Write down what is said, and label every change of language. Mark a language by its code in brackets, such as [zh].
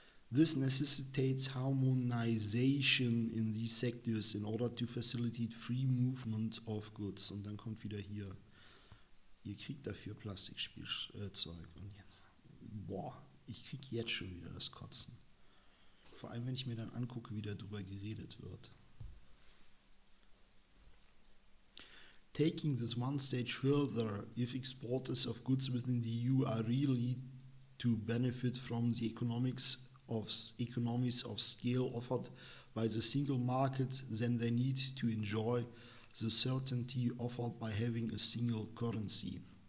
[en] This necessitates harmonization in these sectors in order to facilitate free movement of goods. [de] Und dann kommt wieder hier, ihr kriegt dafür Plastikspielzeug. Und jetzt, boah, ich krieg jetzt schon wieder das Kotzen. Vor allem, wenn ich mir dann angucke, wie darüber geredet wird. [en] Taking this one stage further, if exporters of goods within the EU are really to benefit from the economies of scale offered by the single market, then they need to enjoy the certainty offered by having a single currency.